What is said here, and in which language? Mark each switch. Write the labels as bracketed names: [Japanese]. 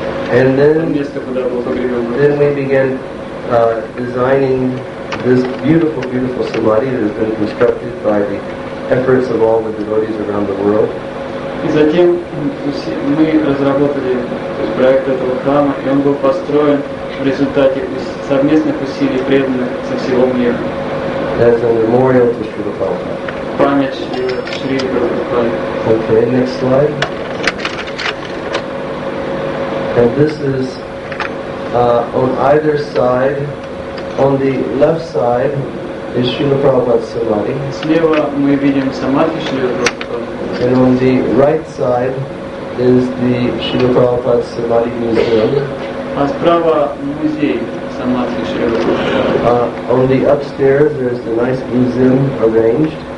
[English] And then we began designing this beautiful, beautiful samadhi that has been constructed by the efforts of all the devotees around the world. [Russian] И затем мы разработали проект этого храма, и он был построен в результате совместных усилий преданных со всего мира. [English] As a memorial to Srila Prabhupada. [Russian] Память Шри Прабхупады. [English] Okay, next slide. And this is on either side, on the left side is Srila Prabhupada's Samadhi. [Russian] Слева мы видим Самадхи Шрила Прабхупады. [English] And on the right side is the Srila Prabhupada's Samadhi Museum. [Russian] А справа музей Самадхи Шрила Прабхупады. [English] On the upstairs there is the nice museum arranged.